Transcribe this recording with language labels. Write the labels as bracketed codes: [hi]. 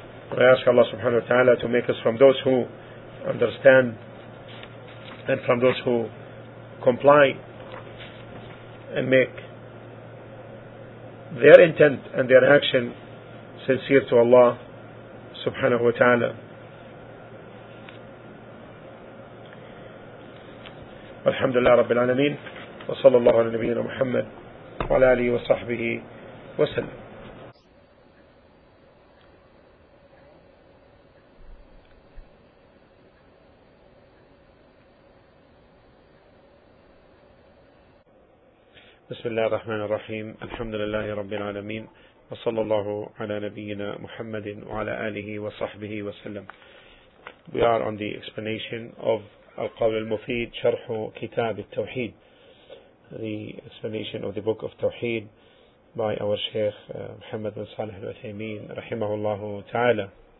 [en] I ask Allah subhanahu wa ta'ala to make us from those who understand and from those who comply and make their intent and their action sincere to Allah subhanahu wa ta'ala. [ar] الحمد لله رب العالمين وصلى الله على نبينا محمد وعلى آله وصحبه وسلم. بسم الله الرحمن الرحيم. الحمد لله رب العالمين وصلى الله على نبينا محمد وعلى آله وصحبه وسلم. [en] We are on the explanation of Al-Qawl al-Mufid, شرح كتاب التوحيد. The explanation of the book of Tawheed by our Sheikh Muhammad bin Salih al-Uthaymeen rahimahullah ta'ala.